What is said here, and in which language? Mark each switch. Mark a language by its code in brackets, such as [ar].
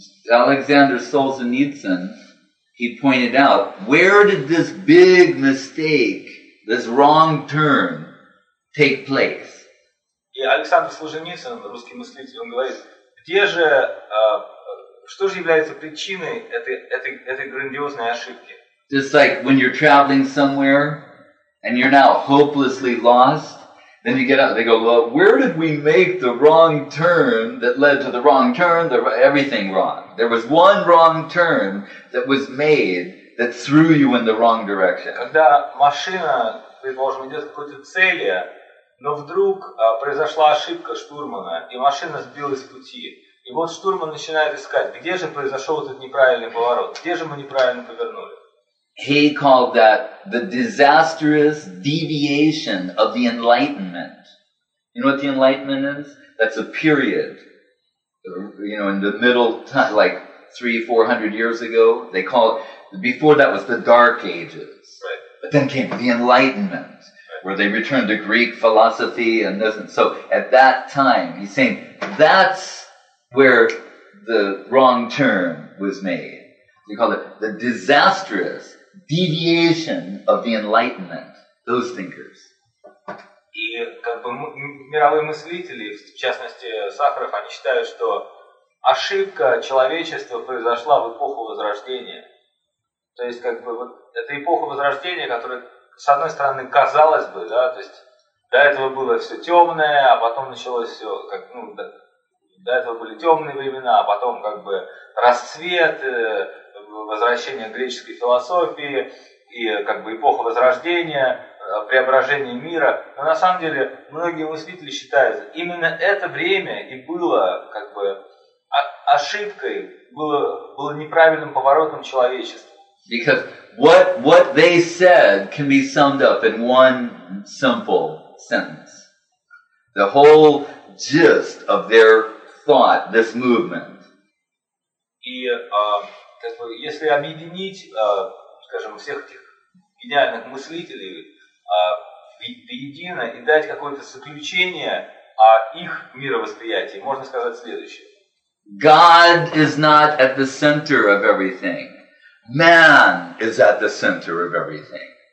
[en] Alexander Solzhenitsyn, he pointed out, where did this big mistake, this wrong turn, take place? [ru] И Александр Солженицын, русский мыслитель, он говорит, где же, что же является причиной этой грандиозной ошибки? [en] Just like when you're traveling somewhere and you're now hopelessly lost, then you get out, they go, well, where did we make the wrong turn that led to the wrong turn, everything wrong? There was one wrong turn that was made that threw you in the wrong direction. [ru] Когда машина, предположим, идет к какой-то цели, но вдруг произошла ошибка штурмана, и машина сбилась с пути. И вот штурман начинает искать, где же произошел этот неправильный поворот, где же мы неправильно повернули. [en] He called that the disastrous deviation of the Enlightenment. You know what the Enlightenment is? That's a period. You know, in the middle, like 300-400 years ago, they called, before that was the Dark Ages. Right. But then came the Enlightenment, right, where they returned to Greek philosophy and this. And so at that time, he's saying, that's where the wrong turn was made. You call it the disastrous deviation of the Enlightenment, those thinkers. [ru] И как бы мировые мыслители, в частности Сахаров, они считают, что ошибка человечества произошла в эпоху Возрождения. То есть как бы вот эта эпоха Возрождения, которая, с одной стороны, казалось бы, да, то есть до этого было все темное, а потом началось все как, ну, до этого были темные времена, а потом как бы расцвет, возвращение греческой философии и как бы эпоха Возрождения, преображение мира. Но на самом деле многие мыслители считают, именно это время и было как бы ошибкой, было неправильным поворотом человечества. [en] Because what they said can be summed up in one simple sentence. The whole gist of their thought, this movement. [ru] И как бы, если объединить, скажем, всех этих гениальных мыслителей воедино и дать какое-то заключение о их мировосприятии, можно сказать следующее. [en] God is not at the center of everything. Man is at the center of everything.